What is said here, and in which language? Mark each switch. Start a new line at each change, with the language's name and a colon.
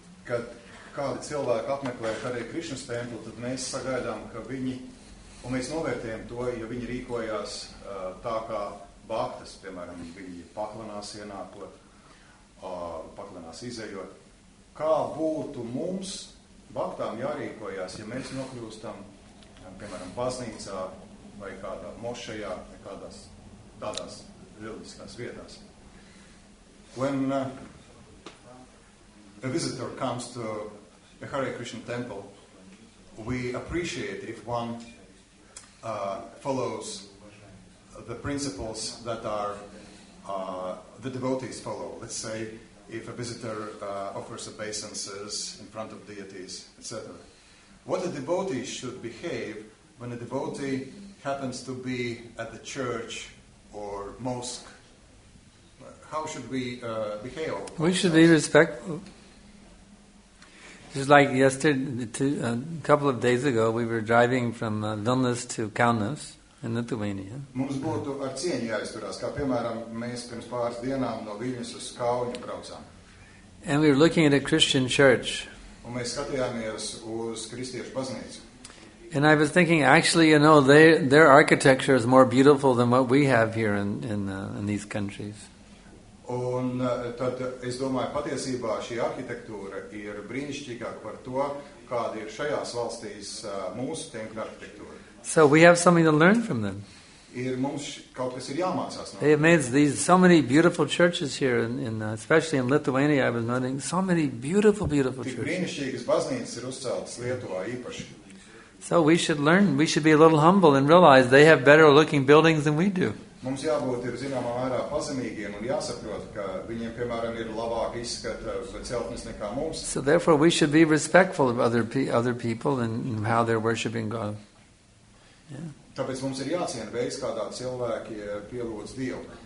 Latvian: Kad kādi cilvēki apmeklē Hare Krishnas templu, tad mēs sagaidām, ka viņi, un mēs novērtējam to, ja viņi rīkojās tā kā bhaktas, piemēram, viņi paklanās ienākot, paklinās izejot. Kā būtu mums baktām jārīkojās, ja mēs nokļūstam, piemēram, baznīcā vai kādā mošajā, vai kādās tādās reliģiskās vietās?
English: When a visitor comes to a Hare Krishna temple, we appreciate if one follows the principles that are the devotees follow. Let's say if a visitor offers obeisances in front of deities, etc. What a devotee should behave when a devotee happens to be at the church or mosque? How should we behave? We should be respectful. Just like yesterday, a couple of days ago, we were driving from Vilnius to Kaunas in Lithuania.
Latvian: Mums būtu ar cieņu jāizturās, kā piemēram, mēs pirms pāris dienām no Vilnius uz Kauni braucām.
English: And we were looking at a Christian church.
Latvian: Un mēs skatījāmies uz kristiešu baznīcu.
English: And I was thinking, actually, you know, their architecture is more beautiful than what we have here in these countries.
Latvian: Un tad es domāju, patiesībā šī arhitektūra ir brīnišķīgāka par to, kāda ir šajās valstīs mūsu tempļa arhitektūra.
English: So we have something to learn from them.
Latvian: Ir mums kaut kas ir jāmācās no.
English: They have made these so many beautiful churches here in especially in Lithuania I was noting so many beautiful churches.
Latvian: Brīnišķīgas baznīcas ir uzceltas Lietuvā īpaši.
English: So we should learn, we should be a little humble and realize they have better looking buildings than we do.
Latvian: Mums jābūt ir zināmā mērā pazemīgiem un jāsaprot, ka viņiem, piemēram, ir labāk izskata celtnes nekā mums.
English: So therefore we should be respectful of other people and how they're worshiping God. Yeah.
Latvian: Tāpēc mums ir jāciena veids, kādā cilvēki pielūdz Dievu.